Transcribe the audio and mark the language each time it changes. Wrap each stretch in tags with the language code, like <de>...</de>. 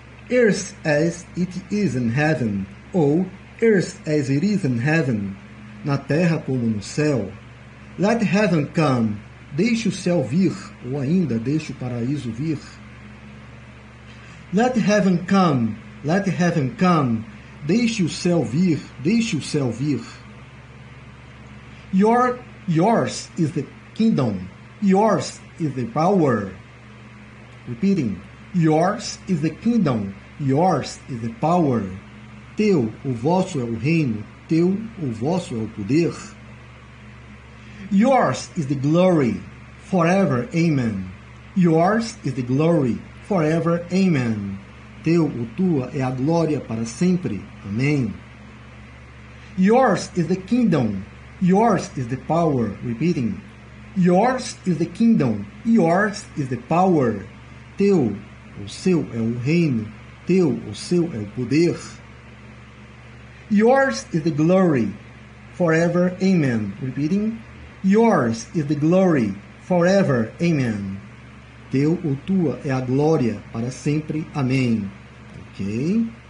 <en>Earth as it is in heaven, ou earth as it is in heaven,</en> <pt>na terra como no céu.</pt> <en>Let heaven come,</en> <pt>deixe o céu vir, ou ainda deixe o paraíso vir.</pt> <en>Let heaven come,</en> <pt>deixe o céu vir, deixe o céu vir.</pt> <en>Yours is the kingdom, yours is the power. Repeating, yours is the kingdom. Yours is the power.</en> <pt>Teu, o vosso é o reino. Teu, o vosso é o poder.</pt> <en>Yours is the glory. forever, amen. Yours is the glory, forever, amen.</en> <pt>Teu ou tua é a glória para sempre, amém.</pt> <en>Yours is the kingdom, yours is the power, repeating. Yours is the kingdom, yours is the power.</en> <pt>Teu ou seu é o reino, teu ou seu é o poder.</pt> <en>Yours is the glory, forever, amen, repeating. Yours is the glory, forever, amen.</en> <pt>Teu ou tua é a glória para sempre, amém. Ok?</pt>